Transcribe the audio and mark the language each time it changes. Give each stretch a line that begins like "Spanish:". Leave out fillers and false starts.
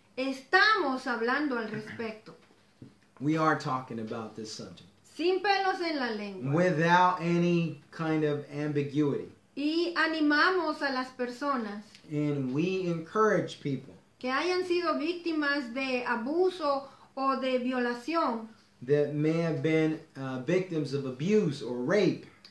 Spanish: Estamos hablando al respecto.
English: We are talking about this subject.
Spanish: Sin pelos en la lengua.
English: Without any kind of ambiguity.
Spanish: Y animamos a las personas.
English: And we encourage people.
Spanish: Que hayan sido víctimas de abuso o de violación.
English: That may have been victims of abuse or rape.